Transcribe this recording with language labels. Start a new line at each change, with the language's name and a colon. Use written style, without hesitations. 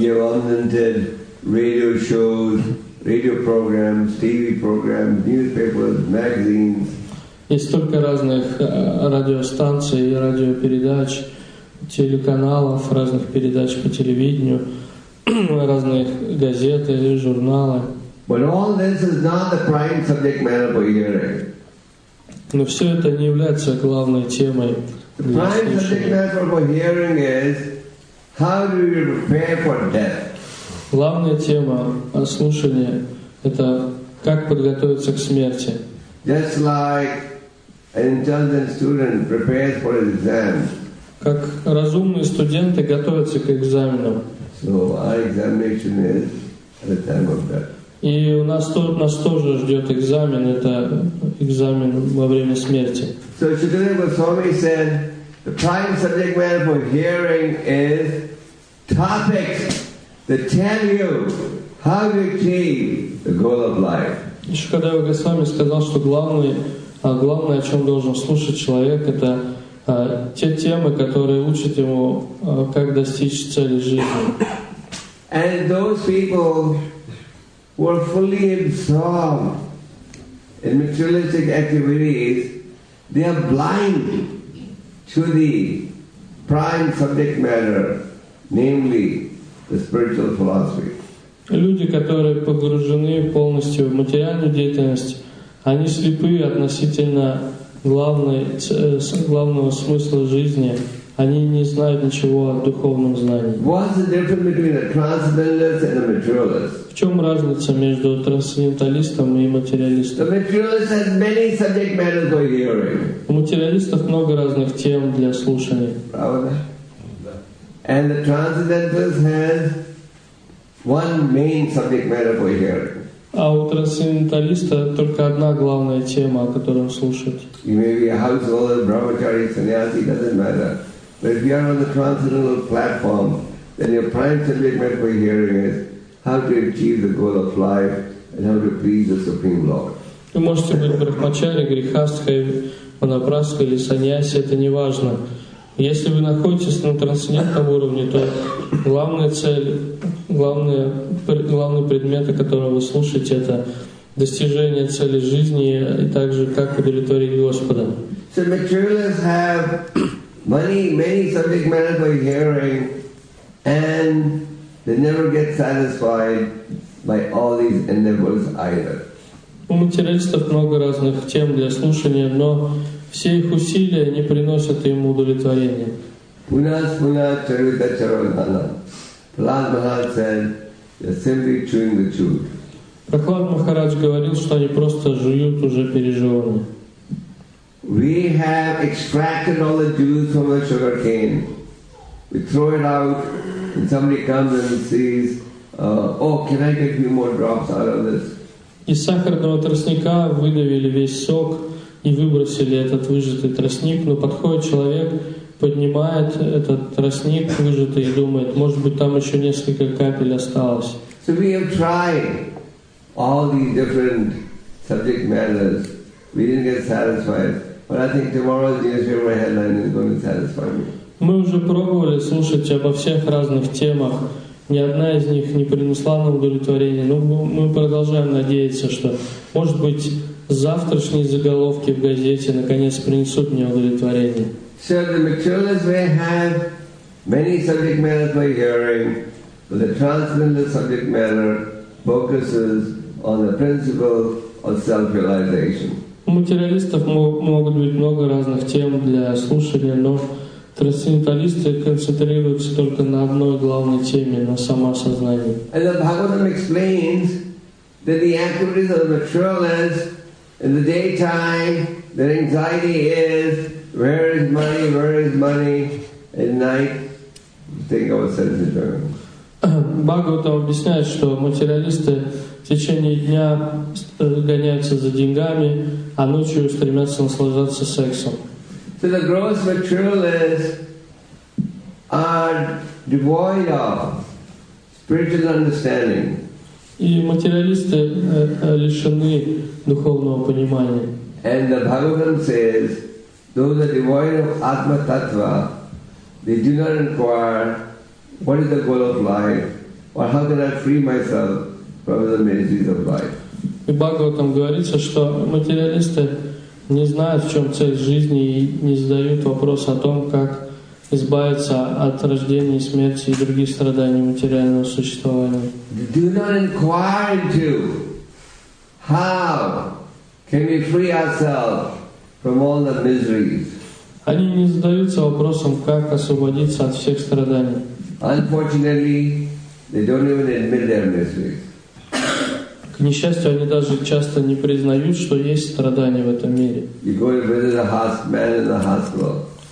English: Radio shows, radio programs, TV programs, newspapers, magazines.
Russian: Есть столько разных радиостанций и радиопередач, телеканалов, разных передач по телевидению, разных газет или журналы.
English: But all this is not the prime subject matter for hearing.
Russian: Но все это не является главной темой.
English: The prime subject matter for hearing is how do you prepare for death?
Russian: Главная тема слушания — это как подготовиться к смерти.
English: Just like an intelligent student prepares for his exam.
Russian: Как разумные студенты готовятся к экзаменам.
English: So our examination is at the time of death.
Russian: И у нас тут нас тоже ждет экзамен. Это экзамен во время смерти.
English: So Shukadeva Goswami said the prime subject matter for hearing is topics that tell you how to achieve the goal of life.
Russian: Shukadeva Goswami сказал, что главное, о чем должен слушать человек, это те темы, которые учат ему, как достичь цели жизни.
English: And those people who are fully absorbed in materialistic activities, they are blind to the prime subject matter, namely the spiritual philosophy.
Russian: Люди, которые погружены полностью в материальную деятельность, они слепы относительно главного смысла жизни. Они не знают ничего о духовном знании.
English: What's the difference between a transcendentalist and a materialist?
Russian: В чем разница между трансценденталистом и материалистом?
English: The materialist has many subject matters for hearing.
Russian: У материалистов много разных тем для слушания. Правда?
English: And the transcendentalist has one main subject matter for hearing.
Russian: А у трансценденталиста только одна главная тема, о которой он слушает.
English: You may be a householder, brahmachari, sannyasi, doesn't matter. But if you are on the transcendental platform, then your prime subject matter for hearing is how to achieve the goal of life and how to please the Supreme Lord.
Russian: Вы можете быть брахмачари, грихастхой, ванапрасхой или саньяси, это не важно. Если вы находитесь на трансцендентном уровне, то главная цель, главный предмет, о котором вы слушаете, это достижение цели жизни и также как удовлетворить Господа.
English: So materialists have many subject matter for hearing, and they never get satisfied by all these endeavors either.
Russian: У материалистов много разных тем для слушания, но все их усилия не приносят им удовлетворения.
Sanskrit: Пунас пунас чарита чарвананда.
English: Прахлад Махарадж said, they're simply chewing the chew.
Russian: Прахлад Махарадж говорил, что они просто жуют уже пережеванное.
English: We have extracted all the juice from the sugar cane. We throw it out, and somebody comes and says, oh, can I get a few more drops out of this?
Russian: Из сахарного тростника выдавили весь сок и выбросили этот выжатый тростник, но подходит человек, поднимает этот тростник выжатый и думает, может быть, там еще несколько капель осталось.
English: So we have tried all these different subject matters. We didn't get satisfied. But I think tomorrow's newspaper headline is going to satisfy me.
Russian: Мы уже пробовали слушать обо всех разных темах. Ни одна из них не принесла нам удовлетворения. Но мы продолжаем надеяться, что, может быть, завтрашние заголовки в газете наконец принесут мне удовлетворение.
English: So the materialists may have Many subject matters by hearing, but the transcendental subject matter focuses on the principle of self-realization.
Russian: У материалистов могут быть много разных тем для слушания, но трансценденталисты концентрируются только на одной главной теме, на самосознании.
English: And the Bhagavatam explains that the activities of the materialist in the daytime, their anxiety is, where is money, where is money? At night, think of a sense of joy.
Russian: Бхагавата объясняет, что материалисты в течение дня гоняются за деньгами, а ночью стремятся наслаждаться сексом.
English: So the gross materialists are devoid of spiritual understanding.
Russian: И материалисты лишены духовного понимания.
English: And the Bhagavatam says, those are devoid of atma-tattva, they do not inquire, what is the goal of life, or how can I free myself from the miseries of life?
Russian: И Бхагаватам говорится, что материалисты не знают, в чем цель жизни, и не задают вопрос о том, как избавиться от рождения, смерти и других страданий материального существования.
English: Do not inquire into how can we free ourselves from all the miseries.
Russian: Они не задаются вопросом, как освободиться от всех страданий.
English: Unfortunately, they don't even admit their miseries.
Russian: К несчастью, они даже часто не признают, что есть страдания в этом мире.
English: You go and visit a man in the hospital.